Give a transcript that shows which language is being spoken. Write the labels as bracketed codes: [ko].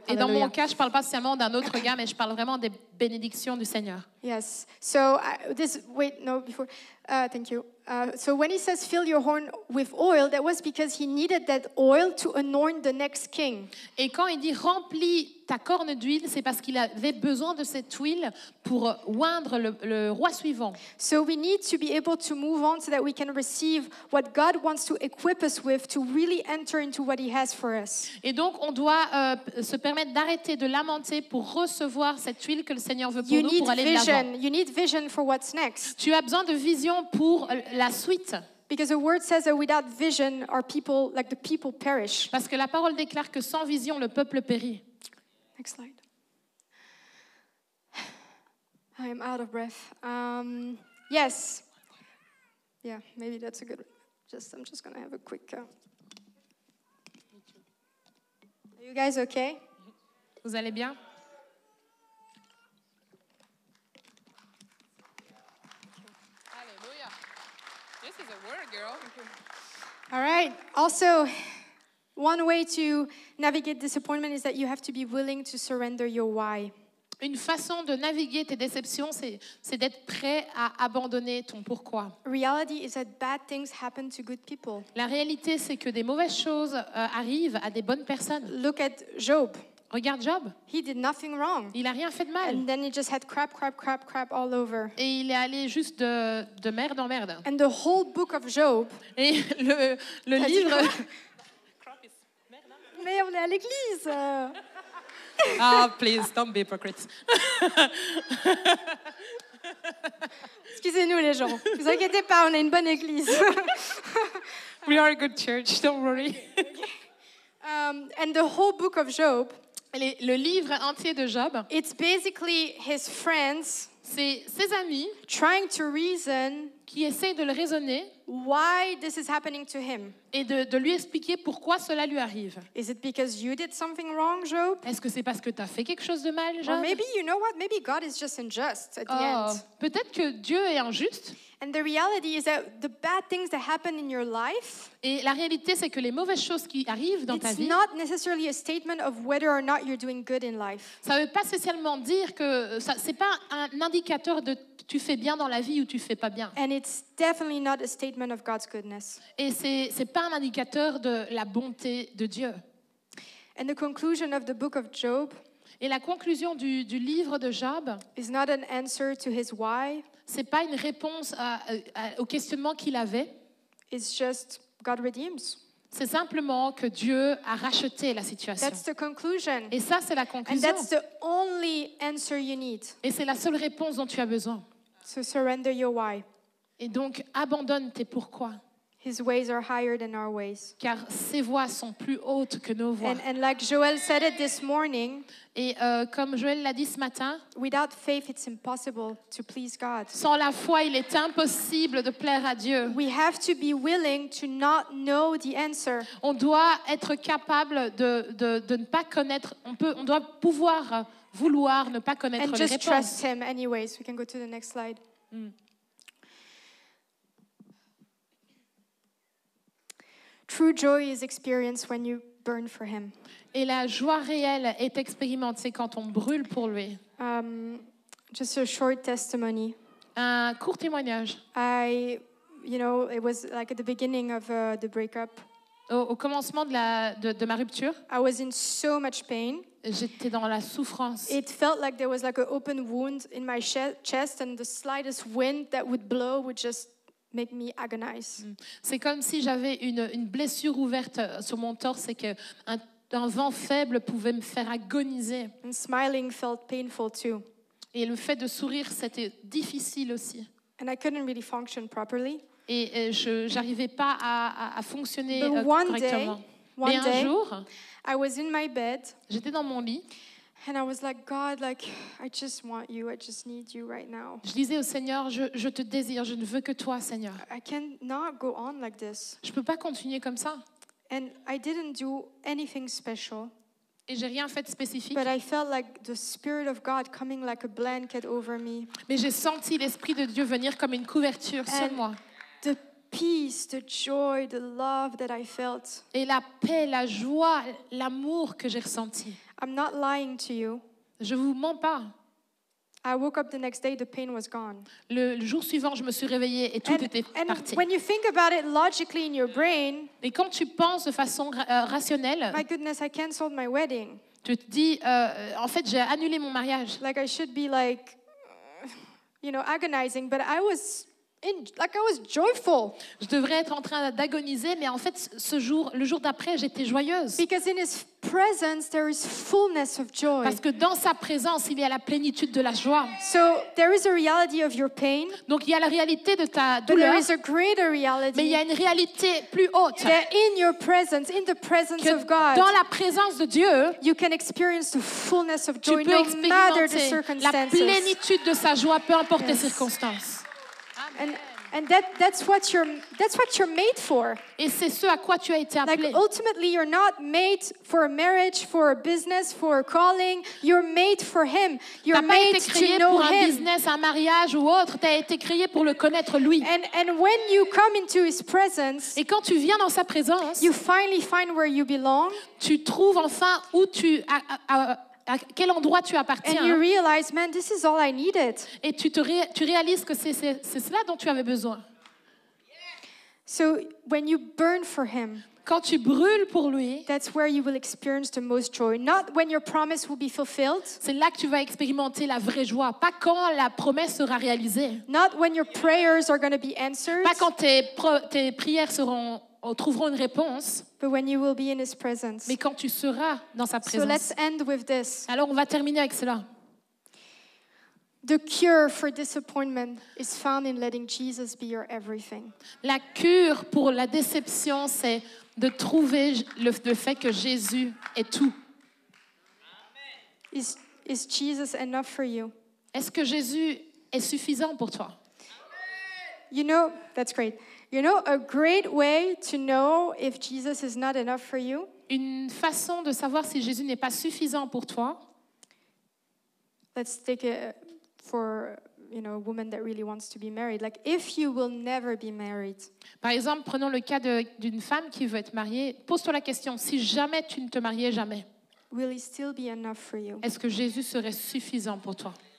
[fr] Et dans mon cas, je parle pas seulement d'un autre gars, mais je parle vraiment des bénédictions du Seigneur. [en] Yes. So this. Wait. No. Before. Thank you. So when he says fill your horn with oil, that was because he needed that oil to anoint the next king. [fr] Et quand il dit remplis ta corne d'huile, c'est parce qu'il avait besoin de cette huile pour oindre le roi suivant. [en] So we need to be able to move on so that we can receive what God wants to equip us with to really enter into what he has for us. [fr] Et donc on doit se permettre d'arrêter de lamenter pour recevoir cette huile que le Seigneur veut pour [en] you [fr] nous pour aller [en] vision. [fr] De l'avant. [en] You need vision for what's next. [fr] Tu as besoin de vision pour la suite. [en] Because the word says that without vision, our people, like the people, perish. [fr] Parce que la parole déclare que sans vision, le peuple périt. [en] Next slide. I am out of breath. Yes. Yeah, maybe that's a good. Just, I'm just gonna have a quick. Are you guys okay? [fr] Vous allez bien? [en] All right. Also, one way to navigate disappointment is that you have to be willing to surrender your why. [fr] Une façon de naviguer tes déceptions, c'est d'être prêt à abandonner ton pourquoi. [en] Reality is that bad things happen to good people. [fr] La réalité, c'est que des mauvaises choses arrivent à des bonnes personnes. [en] Look at Job. [fr] Regarde Job. [en] He did nothing wrong. [fr] Il a rien fait de mal. [en] And then he just had crap all over. [fr] Et il est allé juste de merde en merde. [en] And the whole book of Job. [fr] Et le livre. [en] Crap is [fr] merde. Mais on est à l'église. [en] Ah, oh, please, don't be hypocrites. [fr] Excusez-nous les gens. Ne vous inquiétez pas, on est une bonne église. [en] We are a good church, don't worry. And the whole book of Job. [fr] Le livre entier de Job. [en] It's basically his friends. [fr] C'est ses amis. [en] Trying to reason. [fr] Qui essayent de le raisonner. [en] Why this is happening to him? [fr] Et de lui expliquer pourquoi cela lui arrive. [en] Is it because you did something wrong, Job? [fr] Est-ce que c'est parce que t'as fait quelque chose de mal, Job? [en] Or maybe you know what? Maybe God is just unjust at the end. [fr] Peut-être que Dieu est injuste. [en] And the reality is that the bad things that happen in your life. [fr] Et la réalité c'est que les mauvaises choses qui arrivent dans ta vie. [en] It's not necessarily a statement of whether or not you're doing good in life. [fr] Ça veut pas spécialement dire que ça c'est pas un indicateur de tu fais bien dans la vie ou tu fais pas bien. [en] And it's definitely not a statement of God's goodness. [fr] Et c'est pas un indicateur de la bonté de Dieu. [en] And the conclusion of the book of Job. [fr] Et la conclusion du livre de Job. [en] Is not an answer to his why. [fr] C'est pas une réponse au questionnement qu'il avait. [en] It's just God redeems. [fr] C'est simplement que Dieu a racheté la situation. [en] That's the conclusion. [fr] Et ça, c'est la conclusion. [en] And that's the only answer you need. [fr] Et c'est la seule réponse dont tu as besoin. [en] So surrender your why. [fr] Et donc, abandonne tes pourquoi. [en] His ways are higher than our ways. [fr] Car ses voies sont plus hautes que nos voies. [en] And like Joel said it this morning. [fr] Et comme Joel l'a dit ce matin. [en] Without faith, it's impossible to please God. [fr] Sans la foi, il est impossible de plaire à Dieu. [en] We have to be willing to not know the answer. [fr] On doit être capable de ne pas connaître. On doit pouvoir vouloir ne pas connaître les réponses. [en] And just trust Him, anyways. We can go to the next slide. Mm. True joy is experienced when you burn for him. [fr] Et la joie réelle est expérimentée quand on brûle pour lui. [en] Just a short testimony. [fr] Un court témoignage. [en] I, you know, it was like at the beginning of the breakup. [fr] Au commencement de ma rupture. [en] I was in so much pain. [fr] J'étais dans la souffrance. [en] It felt like there was like an open wound in my chest and the slightest wind that would blow would just make me agonize. [fr] C'est comme si j'avais une blessure ouverte sur mon torse et que un vent faible pouvait me faire agoniser. [en] And smiling felt painful too. [fr] Et le fait de sourire, c'était difficile aussi. [en] And I couldn't really function properly. [fr] Et je n'arrivais pas à fonctionner correctement. [en] Day, [fr] Mais un [en] day, [fr] jour, [en] I was in my bed, [fr] j'étais dans mon lit. [en] And I was like, God, like, I just want you. I just need you right now. [fr] Je disais au Seigneur, je te désire, je ne veux que toi, Seigneur. [en] I cannot go on like this. [fr] Je peux pas continuer comme ça. [en] And I didn't do anything special. [fr] Et j'ai rien fait de spécifique. [en] But I felt like the Spirit of God coming like a blanket over me. [fr] Mais j'ai senti l'Esprit de Dieu venir comme une couverture sur moi. [en] The peace, the joy, the love that I felt. [fr] Et la paix, la joie, l'amour que j'ai ressenti. [en] I'm not lying to you. [fr] Je vous mens pas. [en] I woke up the next day, the pain was gone. [fr] Le jour suivant, je me suis réveillée et tout était parti. [en] And when you think about it logically in your brain, [fr] et quand tu penses de façon rationnelle, [en] my goodness, I canceled my wedding. [fr] Tu te dis, en fait, j'ai annulé mon mariage. [en] Like I should be like, you know, agonizing, but I was in, like I was joyful. [fr] Je devrais être en train d'agoniser, mais en fait, ce jour, le jour d'après, j'étais joyeuse. [en] Because in his presence, there is fullness of joy. [fr] Parce que dans sa présence, il y a la plénitude de la joie. [en] So there is a reality of your pain. [fr] Donc il y a la réalité de ta douleur. [en] But there is a greater reality. [fr] Mais il y a une réalité plus haute. [en] That in your presence, in the presence [fr] que [en] of God, [fr] dans la présence de Dieu, [en] you can experience the fullness of joy, no matter the circumstances. [fr] La plénitude de sa joie, peu importe les circonstances. [en] And that's what you're made for. [fr] Et c'est ce à quoi tu as été appelé. [en] Like ultimately you're not made for a marriage, for a business, for a calling. You're made for him. You're made to know him. [fr] Tu n'as pas été créé pour un business, un mariage ou autre, tu as été créé pour le connaître lui. [en] And when you come into his presence, [fr] et quand tu viens dans sa présence, [en] you finally find where you belong. [fr] Tu trouves enfin où tu à quel endroit tu appartiens. [en] And you realize, man, this is all I needed. [fr] Et tu réalises que c'est cela dont tu avais besoin. [en] So when you burn for him, [fr] quand tu brûles pour lui, [en] that's where you will experience the most joy. Not when your promise will be fulfilled. [fr] C'est là que tu vas expérimenter la vraie joie, pas quand la promesse sera réalisée. [en] Not when your prayers are going to be answered. [fr] Pas quand tes prières seront trouveront une réponse. [en] But when you will be in his presence. [fr] Mais quand tu seras dans sa présence. [en] So let's end with this. [fr] Alors on va terminer avec cela. [en] The cure for disappointment is found in letting Jesus be your everything. [fr] La cure pour la déception, c'est de trouver le fait que Jésus est tout. [en] Amen. Is Jesus enough for you? [fr] Est-ce que Jésus est suffisant pour toi? [en] Amen. You know, that's great. You know, a great way to know if Jesus is not enough for you. [fr] Une façon de savoir si Jésus n'est pas suffisant pour toi. [en] Let's take it for, you know, a woman that really wants to be married. Like, if you will never be married. [fr] Par exemple, prenons le cas d'une femme qui veut être mariée. Pose-toi la question, si jamais tu ne te mariais jamais. [en] Will he still be enough for you? [fr] Est-ce que Jésus serait suffisant pour toi?